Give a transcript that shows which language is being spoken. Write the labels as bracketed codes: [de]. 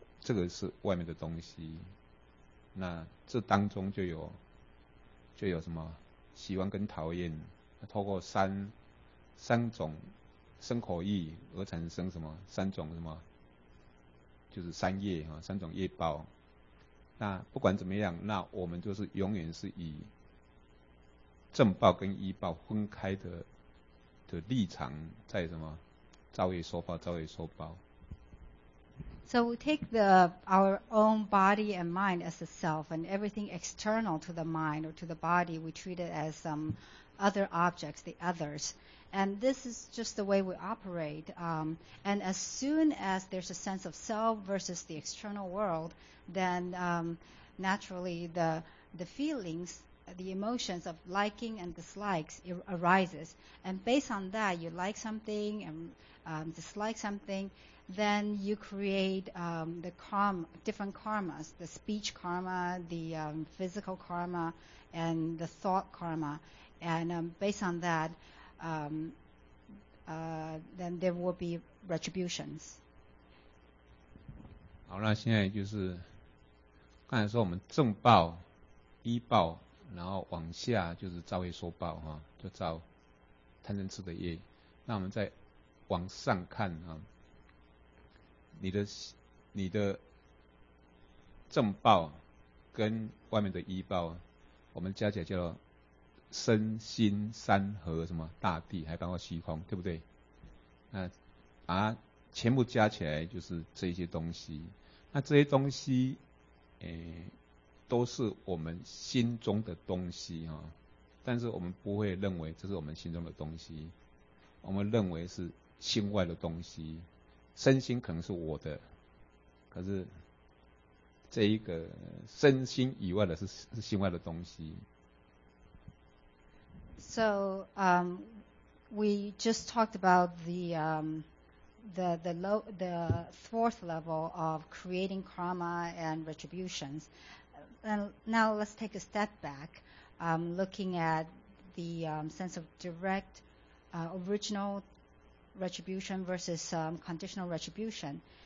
[zh] 这个是外面的东西，那这当中就有什么喜欢跟讨厌，透过三种身口意而产生什么三种什么，就是三业啊，三种业报。那不管怎么样，那我们就是永远是以正报跟依报分开的立场，在什么造业受报，造业受报。 [en] So we take our own body and mind as a self, and everything external to the mind or to the body, we treat it as some other objects, the others. And this is just the way we operate. And as soon as there's a sense of self versus the external world, then naturally the feelings, the emotions of liking and dislikes arises. And based on that, you like something and dislike something,then you create different karmas, the speech karma, the physical karma, and the thought karma. And based on that, then there will be retributions. [zh] 好，那现在就是刚才说我们正报、依报，然后往下就是造业受报，就造贪嗔痴的业。那我们再往上看啊，你的正报跟外面的依报，我们加起来叫身心三合，什么大地还包括虚空，对不对？那把它全部加起来就是这些东西。那这些东西，都是我们心中的东西哈，但是我们不会认为这是我们心中的东西，我们认为是心外的东西，身心可能是我的，可是这一个身心以外的是心外的东西。 [en] So, we just talked about the fourth level of creating karma and retributions. And now let's take a step back, looking at the sense of direct original retribution versus conditional retribution.